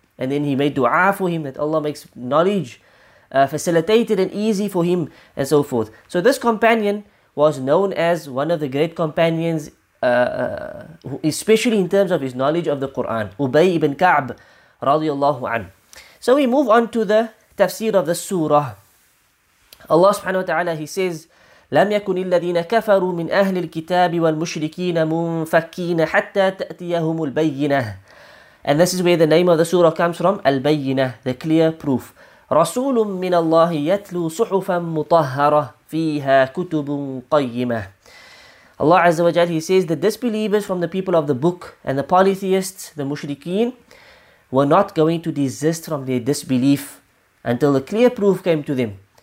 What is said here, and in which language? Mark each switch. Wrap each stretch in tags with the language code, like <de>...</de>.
<en>And then he made dua for him that Allah makes knowledge facilitated and easy for him and so forth. So this companion was known as one of the great companions, especially in terms of his knowledge of the Quran, Ubay ibn Ka'b radiallahu anhu. So we move on to the tafsir of the surah.</en> <ar>Allah subhanahu wa ta'ala,</ar> <en>he says,</en> <ar>لم يكن الذين كفروا من أهل الكتاب والمشركين منفكين حتى تأتيهم البينة.</ar> <en>And this is where the name of the surah comes from, Al-Bayyinah, the clear proof.</en> <ar>رَسُولٌ مِّنَ اللَّهِ يَتْلُو صُحُفًا مُطَهَّرَةً فِيهَا كُتُبٌ قَيِّمَةً.</ar> <en>Allah Azza wa Jal, he says, the disbelievers from the people of the book and the polytheists, the mushrikeen, were not going to desist from their disbelief until the clear proof came to them.</en>